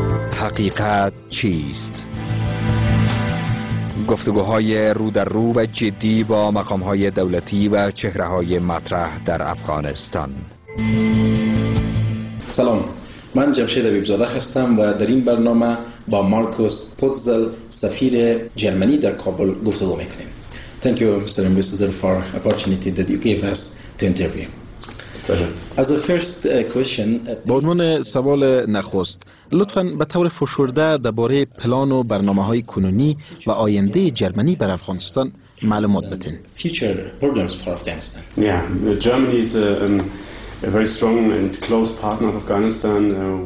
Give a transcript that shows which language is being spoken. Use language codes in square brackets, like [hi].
[fa] حقیقت چیست؟ گفتگوهای رو در رو و جدی با مقامهای دولتی و چهرههای مطرح در افغانستان. سلام، من جمشید بیبزاده هستم و در این برنامه با مارکوس پوتزل سفیر جرمنی در کابل گفتگو میکنیم. [en] Thank you, Mr. Ambassador, for the opportunity that you gave us to interview. Pleasure. As a first question, [fa] به عنوان سوال نخست، لطفاً به طور فشرده درباره پلان و برنامه‌های کنونی و آینده جرمنی بر افغانستان معلومات بدین. [en] Future programs for Afghanistan. Yeah, Germany is a very strong and close partner of Afghanistan.